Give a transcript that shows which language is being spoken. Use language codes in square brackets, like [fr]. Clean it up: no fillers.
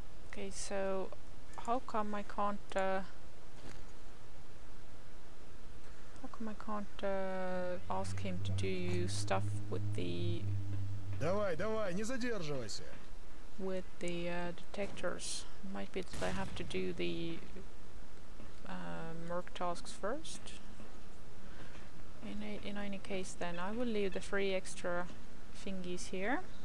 [en] Okay, so how come I can't ask him to do stuff with the [ru] Давай, давай, не задерживайся. [en] With the detectors. Might be that I have to do the merc tasks first. In any case then, I will leave the three extra thingies here.